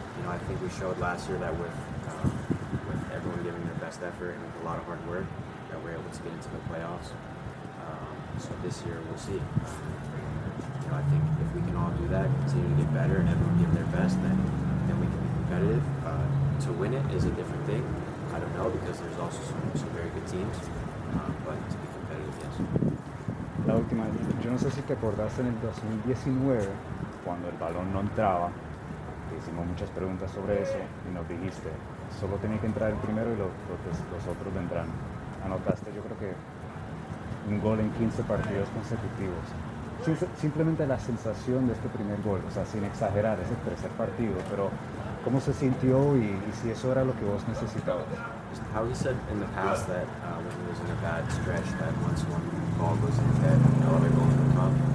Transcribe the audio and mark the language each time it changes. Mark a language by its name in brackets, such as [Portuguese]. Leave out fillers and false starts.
[English] You know, I think we showed last year that with everyone giving their best effort and with a lot of hard work, that we're able to get into the playoffs. So this year, we'll see. You know, I think if we can all do that, continue to get better, and everyone give their best, then we can be competitive. To win it is a different thing. I don't know, because there's also some very good teams, but to be competitive, yes. [Spanish] La última, yo no sé si te acordás en el 2019, cuando el balón no entraba, te hicimos muchas preguntas sobre eso, y nos dijiste, solo tenía que entrar el primero y los otros vendrán. Anotaste, yo creo que un gol en 15 partidos consecutivos. Simplemente la sensación de este primer gol, o sea, sin exagerar, es el tercer partido, pero ¿cómo se sintió y si eso era lo que vos necesitabas? [English] How he said in the past that when he was in a bad stretch, that once one ball goes in, that another goal will come.